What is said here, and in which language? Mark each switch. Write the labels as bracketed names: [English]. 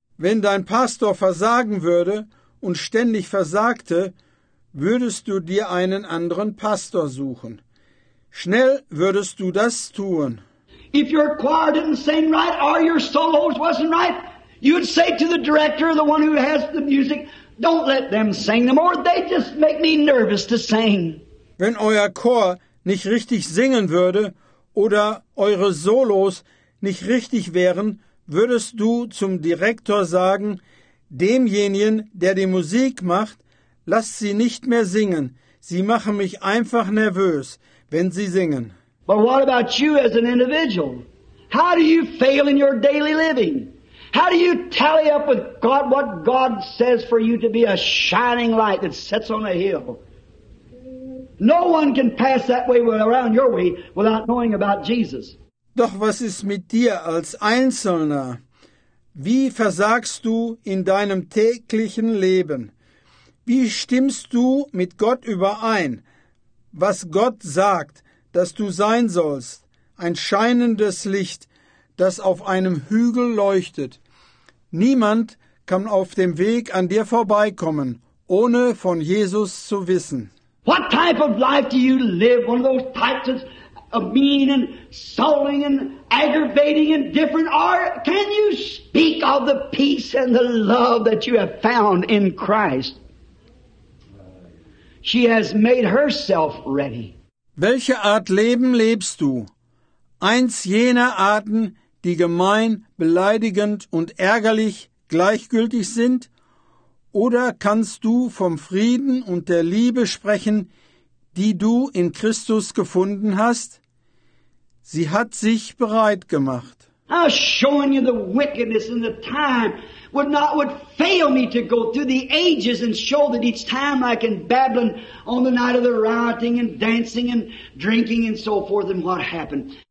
[German] Wenn dein Pastor versagen würde und ständig versagte, würdest du dir einen anderen Pastor suchen. Schnell würdest du das tun. [English] If your choir didn't sing right or your solos wasn't right, you'd say to the director, the one who has the music, don't let them sing no more, they just make me nervous to sing. [German] Wenn euer Chor nicht richtig singen würde oder eure Solos nicht richtig wären, würdest du zum Direktor sagen, demjenigen, der die Musik macht, lasst sie nicht mehr singen. Sie machen mich einfach nervös, wenn sie singen. [English] But what about you as an individual? How do you fail in your daily living? How do you tally up with God what God says for you to be a shining light that sets on a hill? No one can pass that way around your way without knowing about Jesus. [German] Doch was ist mit dir als Einzelner? Wie versagst du in deinem täglichen Leben? Wie stimmst du mit Gott überein, was Gott sagt, dass du sein sollst, ein scheinendes Licht, das auf einem Hügel leuchtet? Niemand kann auf dem Weg an dir vorbeikommen, ohne von Jesus zu wissen. [English] What type of life do you live? One of those types of mean and sullying and aggravating and different? Or can you speak of the peace and the love that you have found in Christ? She has made herself ready. [German] Welche Art Leben lebst du? Eins jener Arten, die gemein, beleidigend und ärgerlich, gleichgültig sind? Oder kannst du vom Frieden und der Liebe sprechen, die du in Christus gefunden hast? Sie hat sich bereit gemacht. [English] I'm showing you the wickedness and the time would fail me to go through the ages and show that each time like in Babylon on the night of the rioting and dancing and drinking and so forth and what happened.